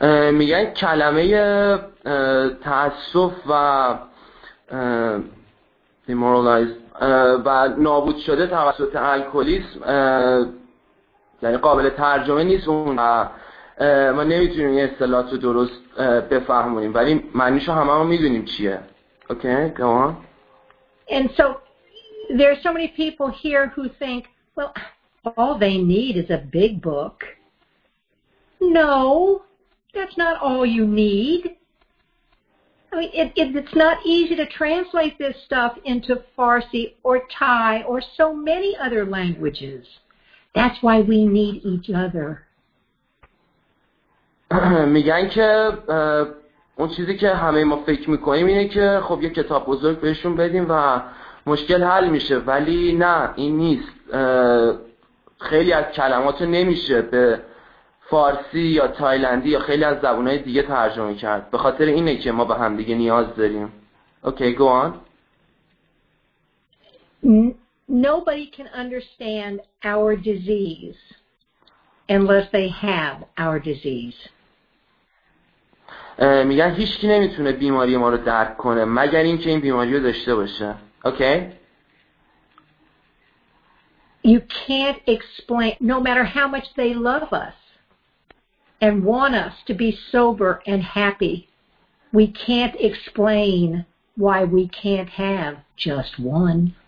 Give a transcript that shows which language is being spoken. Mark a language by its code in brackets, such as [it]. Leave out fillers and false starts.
[fa] میگن کلمه تأسف و demoralized و نابود شده توسط الکلیسم یعنی قابل ترجمه نیست اون و ما نمیتونیم این اصطلاحات رو درست بفهمونیم ولی معنیشو همه ما میدونیم چیه. [en] Okay, go on. And so there are so many people here who think, well, all they need is a big book. No, that's not all you need. I mean, it's not easy to translate this stuff into Farsi or Thai or so many other languages. That's why we need each other. [fa] میگن که اون چیزی که همه ما فکر میکنیم اینه که خب یه کتاب بزرگ بهشون بدیم و مشکل حل میشه ولی نه، این نیست. خیلی از کلماتو نمیشه به فارسی یا تایلندی یا خیلی از زبانهای دیگه ترجمه کرد به خاطر اینه که ما به هم دیگه نیاز داریم. [en] Okay, go on. Nobody can understand our disease unless they have our disease. [fa] میگن هیچ کی نمیتونه بیماری ما رو درک کنه مگر اینکه این بیماری رو داشته باشه. [en] Okay. You can't explain, no matter how much they love us and want us to be sober and happy, we can't explain why we can't have just one.